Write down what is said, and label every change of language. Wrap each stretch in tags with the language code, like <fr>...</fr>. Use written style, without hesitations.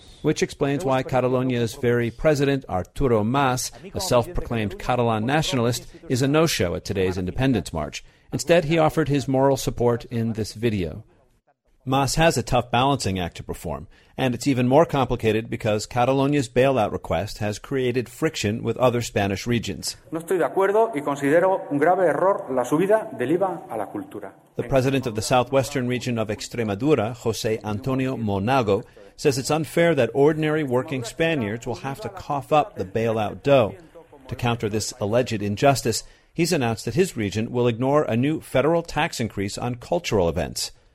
<en>Which explains why Catalonia's very president, Arturo Mas, a self-proclaimed Catalan nationalist, is a no-show at today's independence march. Instead, he offered his moral support in this video. Mas has a tough balancing act to perform, and it's even more complicated because Catalonia's bailout request has created friction with other Spanish regions.</en> <es>No estoy de acuerdo y considero un grave error la subida del IVA a la cultura.</es> <en>The president of the southwestern region of Extremadura, José Antonio Monago, says it's unfair that ordinary working Spaniards will have to cough up the bailout dough. To counter this alleged injustice, he's announced that his region will ignore a new federal tax increase on cultural events.</en>